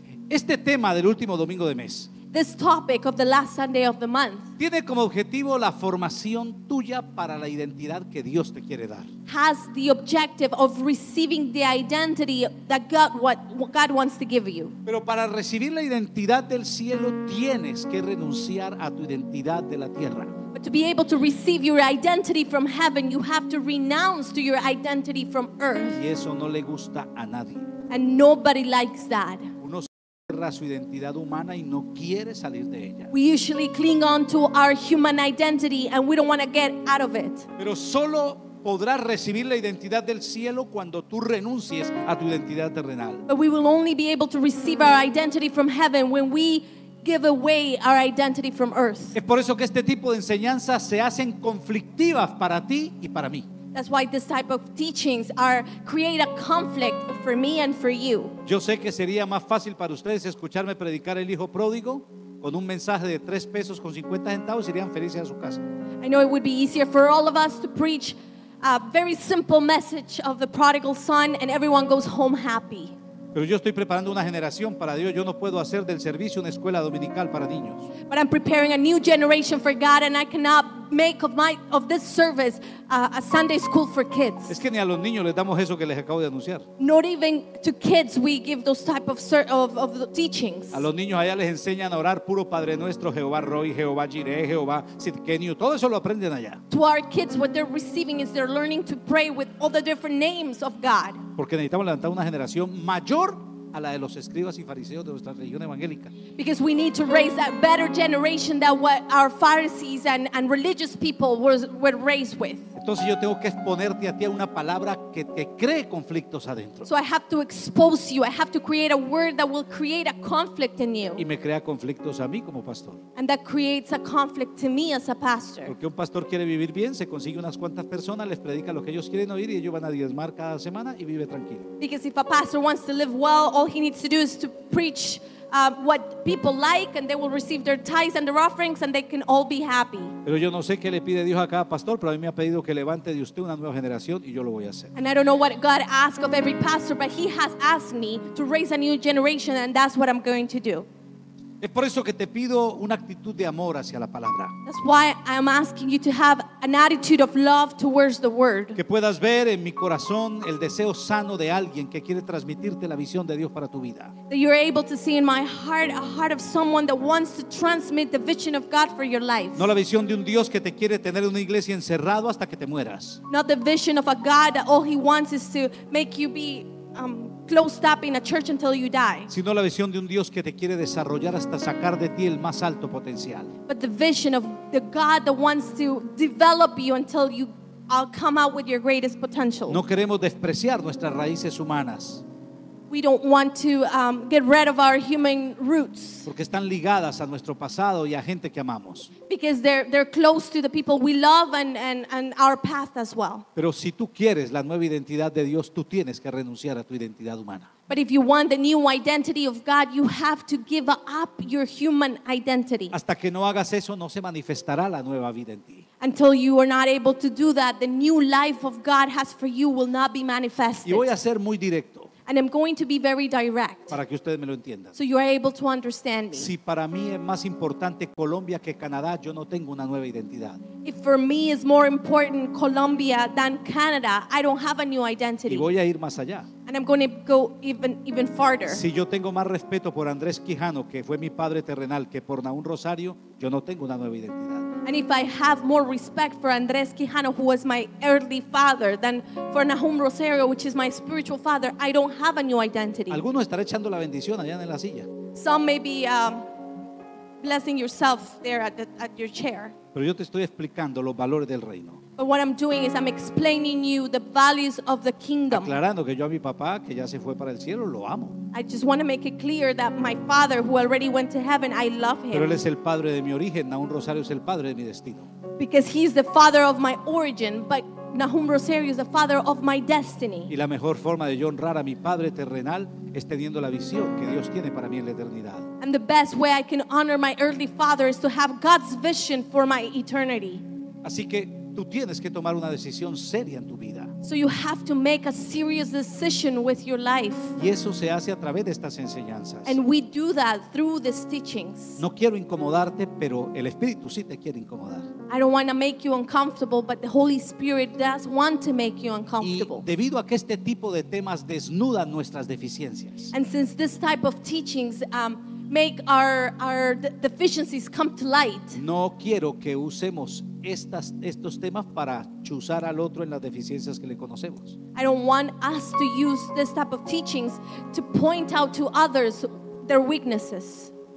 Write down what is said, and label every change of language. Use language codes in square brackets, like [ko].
[es] Este tema del último domingo de mes. [en] This topic of the last Sunday of the month. [es] Tiene como objetivo la formación tuya para la identidad que Dios te quiere dar. [en] Has the objective of receiving the identity that God, what God wants to give you. [es] Pero para recibir la identidad del cielo tienes que renunciar a tu identidad de la tierra. [en] But to be able to receive your identity from heaven, you have to renounce to your identity from earth. [es] Y eso no le gusta a nadie. [en] And nobody likes that. [es] Uno cierra su identidad humana y no quiere salir de ella. [en] We usually cling on to our human identity and we don't want to get out of it. [es] Pero solo podrás recibir la identidad del cielo cuando tú renuncies a tu identidad terrenal. [en] But we will only be able to receive our identity from heaven when we give away our identity from earth. [es] Es por eso que este tipo de enseñanzas se hacen conflictivas para ti y para mí. [en] That's why this type of teachings are create a conflict for me and for you. [es] Yo sé que sería más fácil para ustedes escucharme predicar el hijo pródigo con un mensaje de 3 pesos con 50 centavos y irían felices a su casa. [en] I know it would be easier for all of us to preach a very simple message of the prodigal son and everyone goes home happy. [es] Pero yo estoy preparando una generación para Dios. Yo no puedo hacer del servicio una escuela dominical para niños. [en] But I'm preparing a new generation for God and I cannot make of this service a Sunday school for kids. [es] Es que ni a los niños les damos eso que les acabo de anunciar. [en] Not even to kids we give those type of the teachings. [es] A los niños allá les enseñan a orar puro Padre Nuestro, Jehová Roy, Jehová Jireh, Jehová Sidkenio. Todo eso lo aprenden allá. [en] To our kids, what they're receiving is they're learning to pray with all the different names of God. [es] Porque necesitamos levantar una generación mayor a la de los escribas y fariseos de nuestra religión evangélica. [en] Because we need to raise a better generation than what our Pharisees and religious people were raised with. [es] Entonces yo tengo que exponerte a ti a una palabra que te cree conflictos adentro. [en] So I have to expose you. I have to create a word that will create a conflict in you. [es] Y me crea conflictos a mí como pastor. [en] And that creates a conflict to me as a pastor. [es] Porque un pastor quiere vivir bien, se consigue unas cuantas personas, les predica lo que ellos quieren oír y ellos van a diezmar cada semana y vive tranquilo. [en] Because if a pastor wants to live well, all he needs to do is to preach what people like and they will receive their tithes and their offerings and they can all be happy. [es] Pero yo no sé qué le pide Dios a cada pastor, pero a mí me ha pedido que levante de usted una nueva generación y yo lo voy a hacer. [en] And I don't know what God asks of every pastor, but he has asked me to raise a new generation and that's what I'm going to do. [es] Es por eso que te pido una actitud de amor hacia la palabra. [en] That's why I'm asking you to have an attitude of love towards the word. [es] Que puedas ver en mi corazón el deseo sano de alguien que quiere transmitirte la visión de Dios para tu vida. [en] That you're able to see in my heart a heart of someone that wants to transmit the vision of God for your life. [es] No la visión de un Dios que te quiere tener en una iglesia encerrado hasta que te mueras. [en] Not the vision of a God that all he wants is to make you be closed up in a church until you die. [es] Sino la visión de un Dios que te quiere desarrollar hasta sacar de ti el más alto potencial. [en] But the vision of the God that wants to develop you until you come out with your greatest potential. [es] No queremos despreciar nuestras raíces humanas. [en] We don't want to get rid of our human roots. [es] Porque están ligadas a nuestro pasado y a gente que amamos. [en] Because they're close to the people we love and our past as well. [es] Pero si tú quieres la nueva identidad de Dios, tú tienes que renunciar a tu identidad humana. [en] But if you want the new identity of God, you have to give up your human identity. [es] Hasta que no hagas eso, no se manifestará la nueva vida en ti. [en] Until you are not able to do that, the new life of God has for you will not be manifested. [es] Y voy a ser muy directo. [en] And I'm going to be very direct. [es] Para que ustedes me lo entiendan. [en] So you are able to understand me. [es] Si para mí es más importante Colombia que Canadá, yo no tengo una nueva identidad. [en] If for me is more important Colombia than Canada, I don't have a new identity. [es] Y voy a ir más allá. [en] And I'm going to go even farther. [es] Si yo tengo más respeto por Andrés Quijano, que fue mi padre terrenal, que por Nahum Rosario, yo no tengo una nueva identidad. [en] And if I have more respect for Andrés Quijano, who was my earthly father, than for Nahum Rosario, which is my spiritual father, I don't have a new identity. [es] Alguno estará echando la bendición allá en la silla. [en] Some may be blessing yourself there at your chair. [es] Pero yo te estoy explicando los valores del reino. [en] But what I'm doing is I'm explaining you the values of the kingdom. [es] Aclarando que yo a mi papá, que ya se fue para el cielo, lo amo. [en] I just want to make it clear that my father, who already went to heaven, I love him. [es] Pero él es el padre de mi origen. Nahum Rosario es el padre de mi destino. [en] Because he's the father of my origin, but Nahum Rosario is the father of my destiny. [es] Y la mejor forma de yo honrar a mi padre terrenal es teniendo la visión que Dios tiene para mí en la eternidad. [en] And the best way I can honor my earthly father is to have God's vision for my eternity. [es] Así que tú tienes que tomar una decisión seria en tu vida. [en] So you have to make a serious decision with your life. [es] Y eso se hace a través de estas enseñanzas. [en] And we do that through these teachings. [es] No quiero incomodarte, pero el Espíritu sí te quiere incomodar. [en] I don't want to make you uncomfortable, but the Holy Spirit does want to make you uncomfortable. [es] Y debido a que este tipo de temas desnudan nuestras deficiencias. [en] And since this type of teachings make our deficiencies come to light. [es] No quiero que usemos estos temas para chuzar al otro en las deficiencias que le conocemos. [en] I don't want us to use this type of teachings to point out to others their weaknesses.